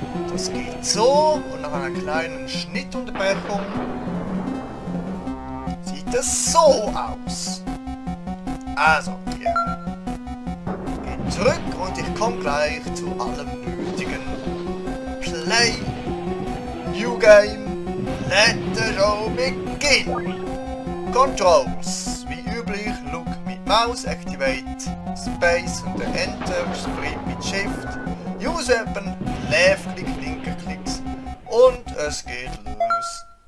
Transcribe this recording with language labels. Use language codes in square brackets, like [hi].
[de] Das geht so und nach einer kleinen Schnittunterbrechung sieht es so aus. Also, wir gehen zurück und ich komme gleich zu allem nötigen Play. [en] New game, let the show begin. [de] Controls, wie üblich, look mit Maus, activate space und enter, sprint mit shift, [en] use weapon, left click, [de] linker clicks und es geht los.